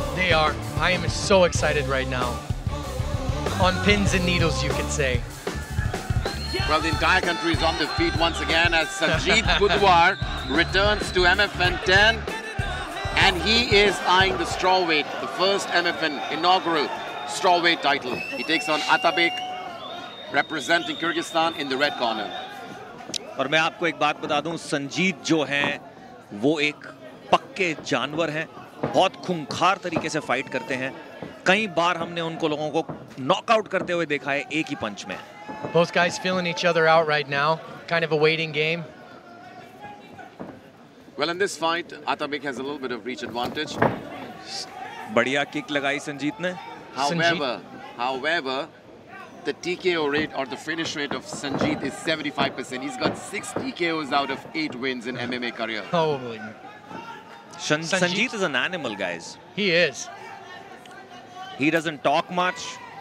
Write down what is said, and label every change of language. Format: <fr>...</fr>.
<en>They are I am so excited right now on pins and needles you can say well the entire country is on the feet once again as Sanjeet Budhwar returns to MFN 10 and he is eyeing the strawweight the first MFN inaugural strawweight title. He takes on Atabek, representing Kyrgyzstan in the red corner.</en> <hi>और मैं आपको एक बात बता दूं, संजीत जो हैं, वो एक पक्के जानवर हैं, बहुत खूंखार तरीके से फाइट करते हैं। कई बार हमने उनको लोगों को नॉकआउट करते हुए देखा है एक ही पंच में।</hi> <en>Both guys feeling each other out right now, kind of a waiting game. Well, in this fight, Atabek has a little bit of reach advantage.</en> <hi>बढ़िया किक लगाई संजीत ने।</hi> <en>However, the TKO rate or the finish rate of Sanjeet is 75%. He's got 6 TKOs out of 8 wins in MMA career. Holy. Sanjeet is an animal, guys. He is. He doesn't talk much.</en>